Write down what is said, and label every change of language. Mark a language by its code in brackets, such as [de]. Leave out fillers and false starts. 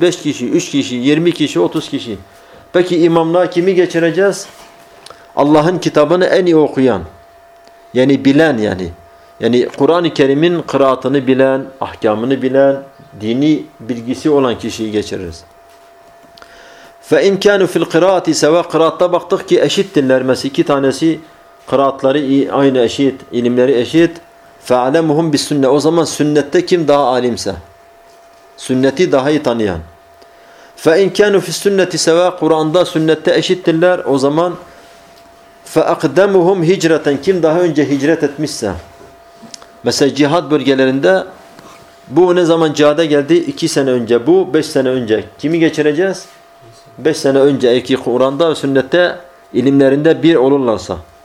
[tr] 5 kişi, 3 kişi, 20 kişi, 30 kişi. Peki imamlığa kimi geçireceğiz? Allah'ın kitabını en iyi okuyan. Yani bilen yani. Yani Kur'an-ı Kerim'in kıraatını bilen, ahkamını bilen, dini bilgisi olan kişiyi geçiririz. [ar] فَاِنْ كَانُوا فِي الْقِرَاةِ سَوَا [tr] Kıraatta baktık ki eşittirler. Mesela iki tanesi kıraatları aynı eşit, ilimleri eşit. [ar] فَاَلَمُهُمْ بِالسُنَّةِ [tr] O zaman sünnette kim daha alimse? Sünneti daha iyi tanıyan. [ar] فَاِنْ كَانُوا فِي السُنَّةِ سَوَا [tr] Kur'an'da sünnette eşittirler. O zaman [ar] فَاَقْدَمُهُمْ هِجْرَةً [tr] Kim daha önce hicret etmişse? Mesela cihat bölgelerinde bu ne zaman cihada geldi? 2 sene önce bu, 5 sene önce. Kimi geçireceğiz? 5 sene önce iki Kur'an'da ve sünnette ilimlerinde bir olurlarsa.